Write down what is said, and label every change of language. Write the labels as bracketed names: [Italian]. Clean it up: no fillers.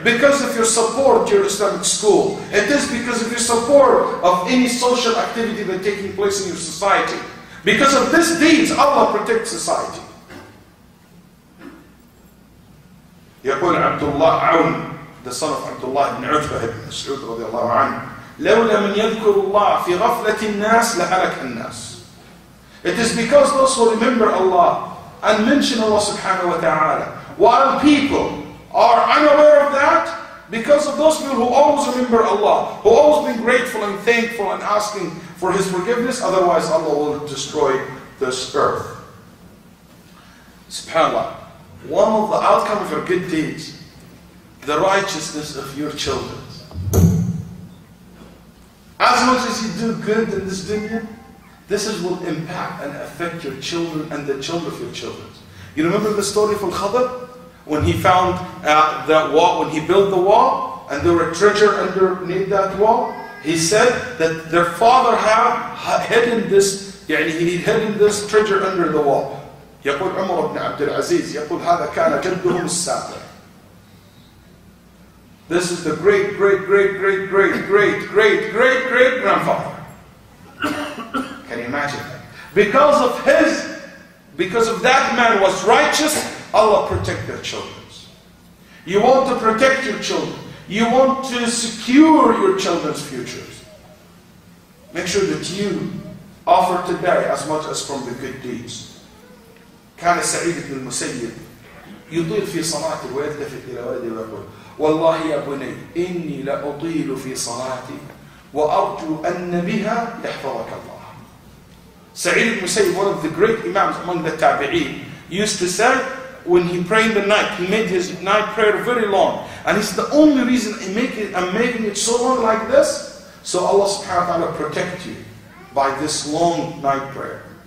[English] Because of your support to your Islamic school. It is because of your support of any social activity that is taking place in your society. Because of these deeds, Allah protects society. [Arabic] يقول عبد الله عون [English] the son of Abdullah ibn Utbah ibn Mas'ud radiallahu anhu. [Arabic] لولا من يذكر الله في غفلة الناس لهلك الناس. [English] It is because those who remember Allah and mention Allah subhanahu wa ta'ala, while people are unaware of that, because of those people who always remember Allah, who always been grateful and thankful and asking for His forgiveness, otherwise Allah will destroy this earth. SubhanAllah, one of the outcome of your good deeds, the righteousness of your children. As much as you do good in this dunya, this is will impact and affect your children and the children of your children. You remember the story of Al-Khadr? When he found that wall, when he built the wall, and there were treasure underneath that wall, he said that their father had hidden this, يعني he had hidden this treasure under the wall. [Arabic] يقول عمر بن عبد العزيز يقول هذا كان جدهم السابع. [English] This is the great, great, great, great, great, great, great, great, great grandfather. Can you imagine that? Because of his, because of that man was righteous, Allah protect their children. You want to protect your children. You want to secure your children's futures. Make sure that you offer today as much as from the good deeds. [Arabic] كان سعيد بن المسيب يطيل في صلاته ويلتفت إلى والده ويقول والله يا بني إني لأطيل في صلاتي وأرجو أن بها يحفظك الله. [English] سعيد بن المسيب, one of the great imams among the tabi'een, used to say when he prayed the night, he made his night prayer very long, and it's the only reason I'm making it so long like this, so Allah subhanahu wa ta'ala protect you by this long night prayer.